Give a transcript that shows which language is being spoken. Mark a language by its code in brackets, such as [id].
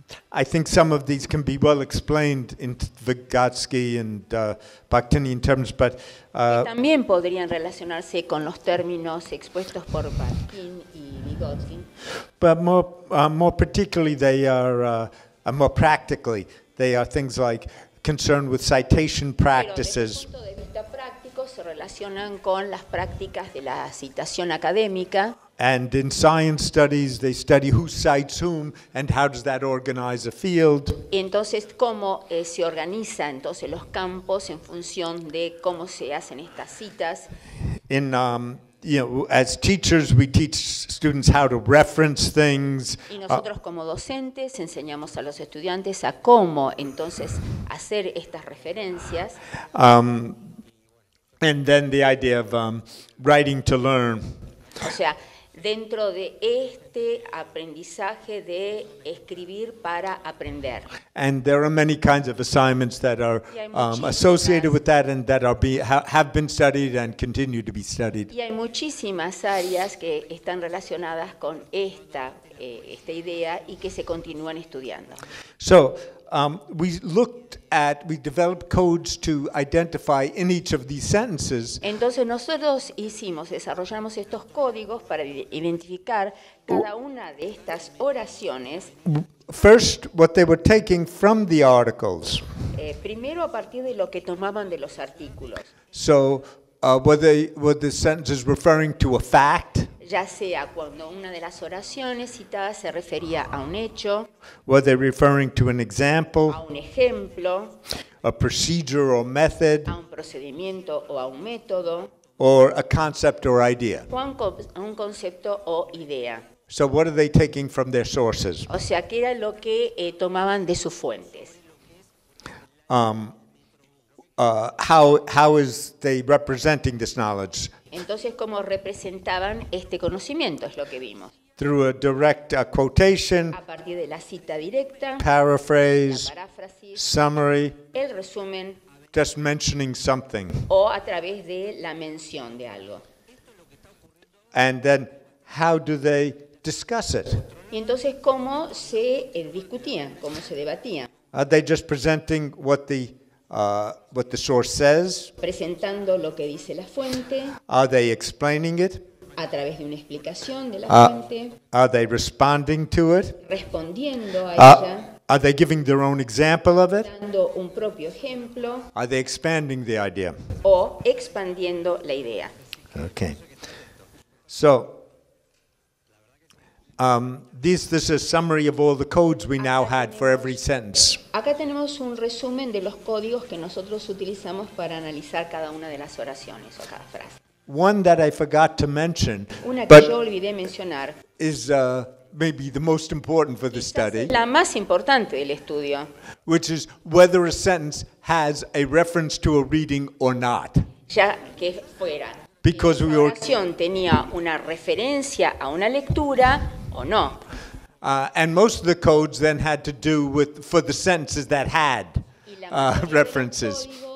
[en] I think some of these can be well explained in Vygotsky and Bakhtinian terms, but [es] también podrían relacionarse con los términos expuestos por Bakhtin y Vygotsky. [en] But more particularly, they are more practically, they are things like concerned with citation practices. [es] Pero desde el punto de vista práctico, se relacionan con las prácticas de la citación académica. [en] And in science studies, they study who cites whom and how does that organize a field. [es] Entonces, ¿cómo se organiza entonces los campos en función de cómo se hacen estas citas? [en] In as teachers, we teach students how to reference things. [es] Y nosotros como docentes enseñamos a los estudiantes a cómo entonces hacer estas referencias. [en] And then the idea of writing to learn. [es] O sea, dentro de este aprendizaje de escribir para aprender. [en] And there are many kinds of assignments that are associated with that and that are have been studied and continue to be studied. [es] Y hay muchísimas áreas que están relacionadas con esta esta idea y que se continúan estudiando. [en] So, we developed codes to identify in each of these sentences. [es] Entonces nosotros hicimos, desarrollamos estos códigos para identificar cada una de estas oraciones. [en] First, what they were taking from the articles. [es] Primero a partir de lo que tomaban de los artículos. [en] So, were the sentences referring to a fact? [es] Ya sea cuando una de las oraciones citadas se refería a un hecho, [en] were they referring to an example, [es] a un ejemplo, [en] a procedure or method, [es] a un procedimiento o a un método, [en] or a concept or idea, [es] o a un concepto o idea. [en] So what are they taking from their sources? [es] O sea, ¿qué era lo que tomaban de sus fuentes? [en] How is they representing this knowledge? [es] Entonces, ¿cómo representaban este conocimiento? Es lo que vimos. [en] Through a direct quotation, [es] a partir de la cita directa, [en] paraphrase, [es] la paráfrasis, [en] summary, [es] el resumen, [en] just mentioning something, [es] o a través de la mención de algo. [en] And then, how do they discuss it? [es] Y entonces, ¿cómo se discutían? ¿Cómo se debatían? [en] Are they just presenting what the what the source says? [es] Presentando lo que dice la fuente. [en] Are they explaining it? [es] A través de una explicación de la fuente. [en] Are they responding to it? [es] Respondiendo a ella. [en] Are they giving their own example of it? [es] Dando un propio ejemplo. [en] Are they expanding the idea? [es] O expandiendo la idea. [en] Okay. So, this is a summary of all the codes we now had for every sentence. [es] Acá tenemos un resumen de los códigos que nosotros utilizamos para analizar cada una de las oraciones o cada frase. [en] One that I forgot to mention, [es] una que yo olvidé mencionar, [en] is maybe the most important for the study. [es] La más importante del estudio. [en] Which is whether a sentence has a reference to a reading or not. [es] Ya que fuera. [en] Because we were. [es] La oración tenía una referencia a una lectura o no. [en] And most of the codes then had to do with for the sentences that had references.